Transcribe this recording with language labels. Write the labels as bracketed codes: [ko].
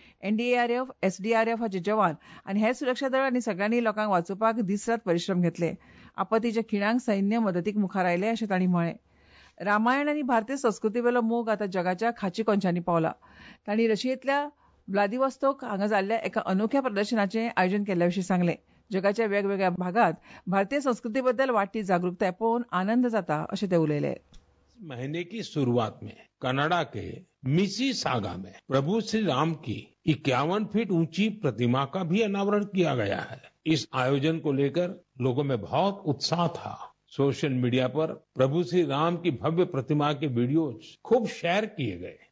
[gom] NDRF, SDRF हाचे जवान आनी हेर सुरक्षा दळ आनी सगळ्यांनी लोकांक वाचोवपाक दीस रात परिश्रम घेतले. आपत्तीच्या खिणांक सैन्य मदतीक मुखार आयले अशें तांणी म्हळें. रामायण आनी भारतीय संस्कृतीवेलो मोग आतां जगाच्या खाची कोनशांनी पावला. तांणी रशियेंतल्या व्लादिवॉस्तोक हांगा जाल्ल्या एका अनोख्या प्रदर्शनाचें आयोजन केल्ल्या विशीं सांगलें. जगाच्या वेगवेगळ्या भागात भारतीय संस्कृती बद्दल वाढती जागरूकता पाहून आनंद जाता असे ते उलयले. [hi] महिने की सुरुवात मे कनाडा के मिसी सागा में प्रभू श्री राम की 51 फीट ऊंची प्रतिमा का भी अनावरण किया गया है. इस आयोजन को लेकर लोगों में बहुत उत्साह था. सोशल मीडिया पर प्रभु श्री राम की भव्य प्रतिमा के वीडियो खूब शेयर किए गए.